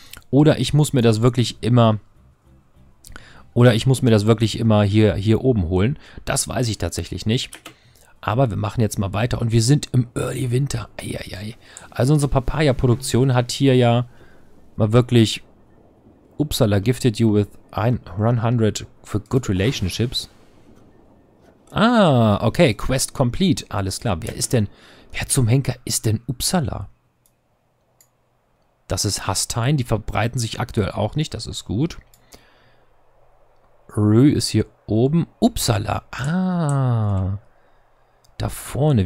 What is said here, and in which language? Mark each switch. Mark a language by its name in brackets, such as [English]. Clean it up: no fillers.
[German] Oder ich muss mir das wirklich immer... Oder ich muss mir das wirklich immer hier oben holen. Das weiß ich tatsächlich nicht. Aber wir machen jetzt mal weiter. Und wir sind im Early Winter. Eieiei. Also unsere Papaya-Produktion hat hier ja mal wirklich... [English] Upsala gifted you with 100 for good relationships. [German] Ah, okay. [English] Quest complete. [German] Alles klar. Wer ist denn... Wer zum Henker ist denn Upsala? Das ist Hastein. Die verbreiten sich aktuell auch nicht. Das ist gut. Rü ist hier oben. Upsala. Ah. Da vorne.